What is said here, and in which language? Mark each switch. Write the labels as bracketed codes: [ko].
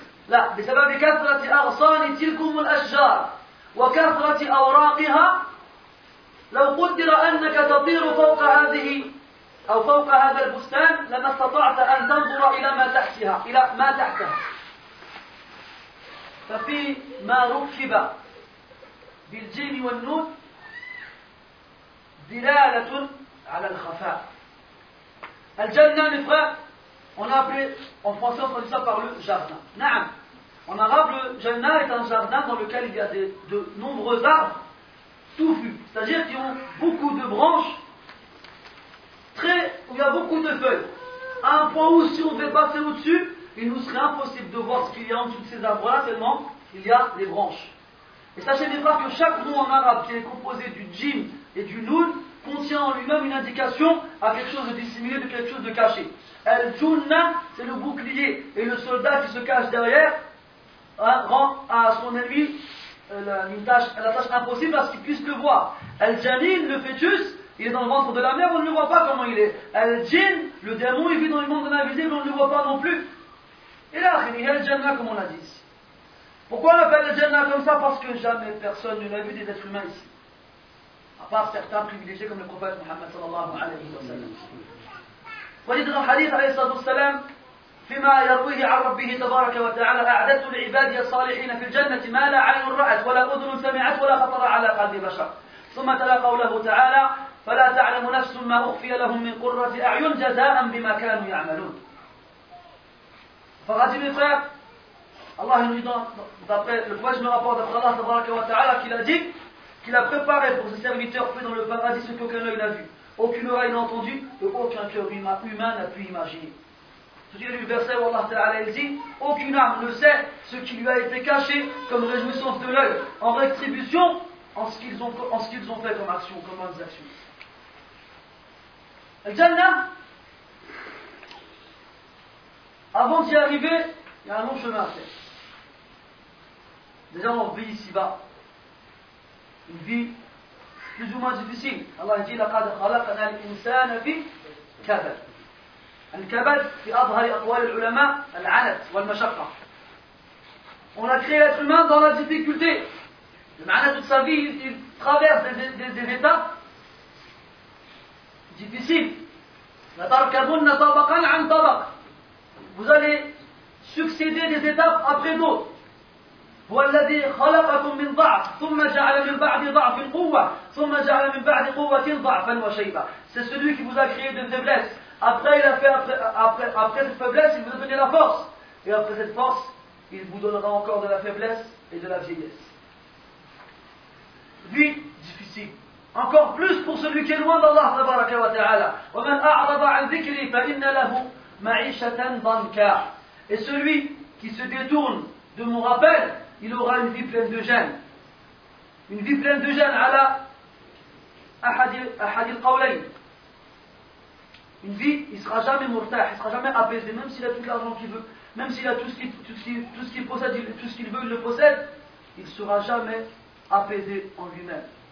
[ar] لا بسبب كثرة أغصان تلكم الأشجار وكثرة أوراقها لو قدر أنك تطير فوق هذه أو فوق هذا البستان لما استطعت أن تنظر إلى ما تحتها إلى ما تحتها ففي ما ركب بالجيم والنون دلالة على الخفاء الجنة نفخ [fr] on a appelé en français on traduit ça par le jardin. [ar] نعم. [fr] En arabe, le Jannah est un jardin dans lequel il y a de nombreux arbres touffus, c'est-à-dire qui ont beaucoup de branches, très, où il y a beaucoup de feuilles. À un point où, si on devait passer au-dessus, il nous serait impossible de voir ce qu'il y a en dessous de ces arbres-là, tellement il y a des branches. Et sachez mes frères que chaque mot en arabe qui est composé du djinn et du noun contient en lui-même une indication à quelque chose de dissimulé, de quelque chose de caché. El-Junna, c'est le bouclier et le soldat qui se cache derrière. Rend à son ennemi la tâche impossible à ce qu'il puisse le voir. Al-Janin, le fœtus, il est dans le ventre de la mère, on ne le voit pas comment il est. Al-Jin, le démon, il vit dans le monde de l'invisible, on ne le voit pas non plus. Et là, il y a Al-Jannah, comme on l'a dit. Pourquoi on appelle Al-Jannah comme ça? Parce que jamais personne ne l'a vu des êtres humains ici. À part certains privilégiés comme le prophète Mohammed sallallahu alayhi wa sallam. Vous voyez dans le hadith, alayhi sallallahu alayhi wa sallam, [ar] بما يرويه عن ربه تبارك وتعالى أعددت لعبادي الصالحين في الجنة ما لا عين رأت ولا أذن سمعت ولا خطر على قلب بشر ثم تلا قوله تعالى فلا تعلم نفس ما أخفي لهم من قرة أعين جزاء بما كانوا يعملون فغادي من خير الله يريد [fr] le voyage me rapporte après Allah tabaraka wa ta'ala qu'il a dit qu'il a préparé pour ses serviteurs fait dans le paradis ce qu'aucun œil n'a vu aucune oreille n'a entendu, et aucun cœur humain n'a pu imaginer. C'est-à-dire le verset où Allah Ta'ala dit, aucune âme ne sait ce qui lui a été caché comme réjouissance de l'œil, en rétribution en ce qu'ils ont fait comme action, comme bonnes actions. Al-Jannah, avant d'y arriver, il y a un long chemin à faire. Déjà, on vit ici-bas. Une vie plus ou moins difficile. Allah dit, [ar] لَقَدْ خَلَقَنَا الْإِنسَانَ فِي كَبَدْ. الْكَبَدْ في أظهر أقوال العلماء العنت والمشقة. [fr] On a créé l'être humain dans la difficulté. Le [ar] معنى [fr] toute sa vie, il traverse des états difficiles. [ar] لَتَرْكَبُنَّ طَبَقًا عَنْ طَبَقٍ. [fr] Vous allez succéder des étapes après d'autres. [ar] هو الذي خلقكم من ضعف ثم جعل من بعد ضعف قوة ثم جعل من بعد قوة ضعفا وشيبة. [fr] C'est celui qui vous a créé de faiblesse. Après il a fait après cette faiblesse, il vous a donné la force. Et après cette force, il vous donnera encore de la faiblesse et de la vieillesse. Vie difficile. Encore plus pour celui qui est loin d'Allah [ar] تبارك وتعالى. ومن أعرض عن ذكري فإن له معيشة ضنكا. [fr] Et celui qui se détourne de mon rappel, il aura une vie pleine de gêne. Une vie pleine de gêne à la Ahadil Qawlay. Une vie, il ne sera jamais mortaire, il ne sera jamais apaisé, même s'il a tout l'argent qu'il veut, même s'il a tout ce qu'il possède, tout ce qu'il veut, il le possède, il ne sera jamais apaisé en lui-même.